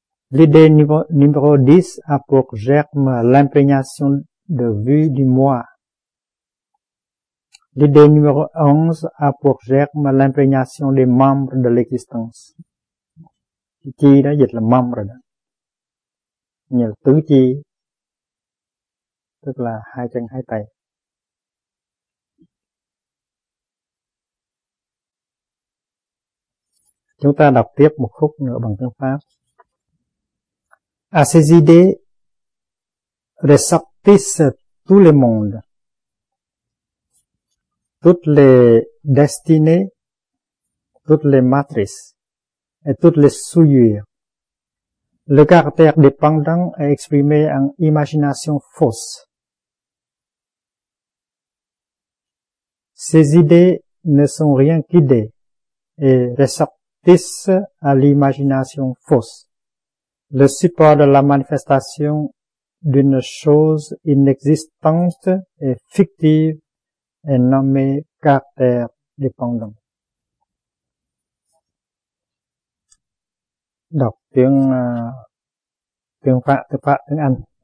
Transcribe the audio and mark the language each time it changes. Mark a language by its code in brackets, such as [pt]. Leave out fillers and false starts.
[fr] L'idée numéro 10 a pour germe l'imprégnation de vue du moi. L'idée numéro 11 a pour germe l'imprégnation des membres de l'existence. [vi] Chi đó dịch là membre đó. Nghĩa là tứ chi, tức là hai chân hai tay. Chúng ta đọc tiếp một khúc nữa bằng tiếng Pháp. [fr] À ces idées ressortissent tout le monde, toutes les destinées, toutes les matrices et toutes les souillures. Le caractère dépendant est exprimé en imagination fausse. Ces idées ne sont rien qu'idées et ressortissent à l'imagination fausse. Le support de la manifestation d'une chose inexistante et fictive est nommé caractère dépendant. [vi] Đọc tiếng tiếng Pháp, tiếng Pháp, tiếng Anh.